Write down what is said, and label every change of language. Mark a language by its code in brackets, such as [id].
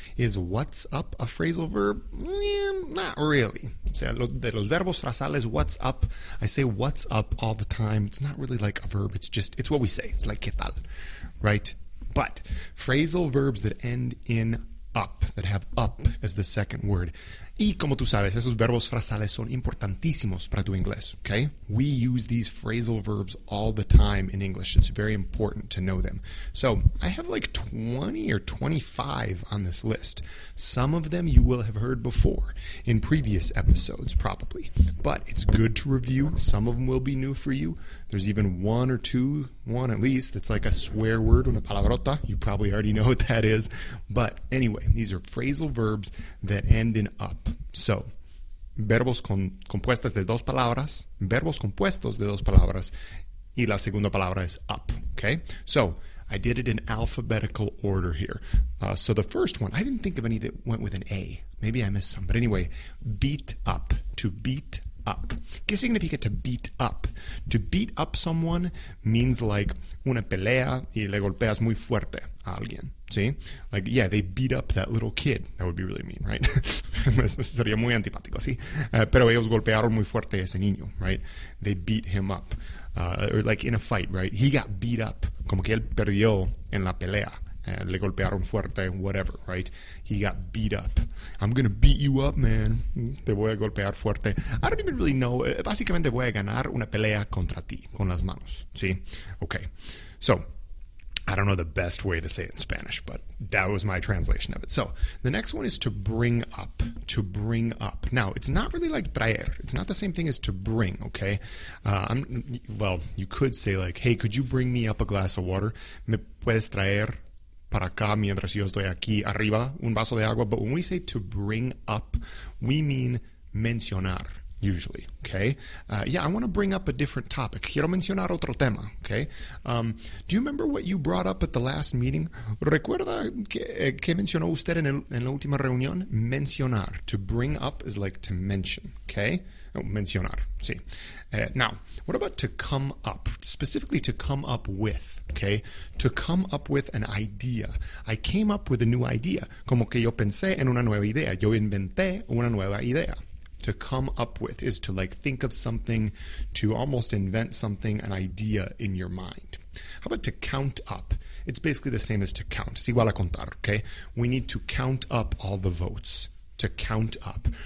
[en] Is what's up a phrasal verb? Not really. [es] O sea, de los verbos frasales, [en] what's up? I say what's up all the time. It's not really like a verb. It's what we say. It's like, [es] ¿qué tal? [en] Right? But phrasal verbs that end in up, that have up as the second word. [es] Y como tú sabes, esos verbos frasales son importantísimos para tu inglés, okay? [en] We use these phrasal verbs all the time in English. It's very important to know them. So I have like 20 or 25 on this list. Some of them you will have heard before in previous episodes, probably. But it's good to review. Some of them will be new for you. There's even one at least, that's like a swear word, [es] una palabrota. [en] You probably already know what that is. But anyway, these are phrasal verbs that end in up. [es] So, verbos compuestos de dos palabras, verbos compuestos de dos palabras, y la segunda palabra es up, okay? [en] So, I did it in alphabetical order here. So the first one, I didn't think of any that went with an A. Maybe I missed some, but anyway, beat up, to beat up. [es] ¿Qué significa to beat up? [en] To beat up someone means like [es] una pelea y le golpeas muy fuerte a alguien. [en] See? Like, yeah, they beat up that little kid. That would be really mean, right? [es] Sería muy antipático, ¿sí? Pero ellos golpearon muy fuerte a ese niño, right? [en] They beat him up. Or like in a fight, right? He got beat up. [es] Como que él perdió en la pelea. Le golpearon fuerte, [en] whatever, right? He got beat up. I'm going to beat you up, man. [es] Te voy a golpear fuerte. [en] I don't even really know. [es] Básicamente voy a ganar una pelea contra ti, con las manos, ¿sí? [en] Okay. So, I don't know the best way to say it in Spanish, but that was my translation of it. So, the next one is to bring up, to bring up. Now, it's not really like traer. It's not the same thing as to bring, okay? You could say like, hey, could you bring me up a glass of water? [es] ¿Me puedes traer para acá mientras yo estoy aquí arriba un vaso de agua? [en] But when we say to bring up, we mean mencionar. Usually, okay? I want to bring up a different topic. [es] Quiero mencionar otro tema, [en] okay? Do you remember what you brought up at the last meeting? [es] ¿Recuerda que mencionó usted en la última reunión? [en] Mencionar. To bring up is like to mention, okay? Mencionar, sí. Now, what about to come up? Specifically to come up with, okay? To come up with an idea. I came up with a new idea. [es] Como que yo pensé en una nueva idea. Yo inventé una nueva idea. [en] To come up with is to like think of something, to almost invent something, an idea in your mind. How about to count up? It's basically the same as to count. [es] Es igual a contar, [en] okay? We need to count up all the votes. To count up.